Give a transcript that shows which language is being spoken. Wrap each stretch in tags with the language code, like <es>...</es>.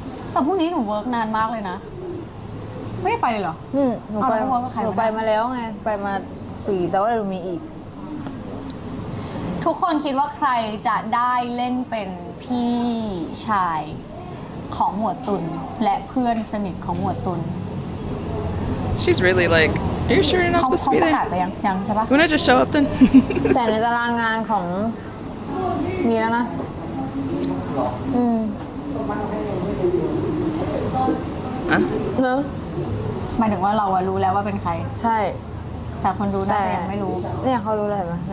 <th>แต่พรุ่งนี้หนูเวิร์กนานมากเลยนะไม่ได้ไปเลยเหรอ หนูไปหนูไปมาแล้วไงไปมา4แต่ว่าหนูมีอีก ทุกคนคิดว่าใครจะได้เล่นเป็นพี่ชายของหมวดตุนและเพื่อนสนิทของหมวดตุน</th> <en>She's really like Are you sure you're not supposed to be there?</en> <th>ไปยังใช่ปะ</th> <en>When I just show up then</en> <th>แต่ในตารางงานของมีแล้วนะ เ นอะหมายถึงว่าเราอะรู้แล้วว่าเป็นใคร ใช่ แต่คนดูน่าจะยังไม่รู้เนี่ยเขารู้แล้วใช่ไ</th>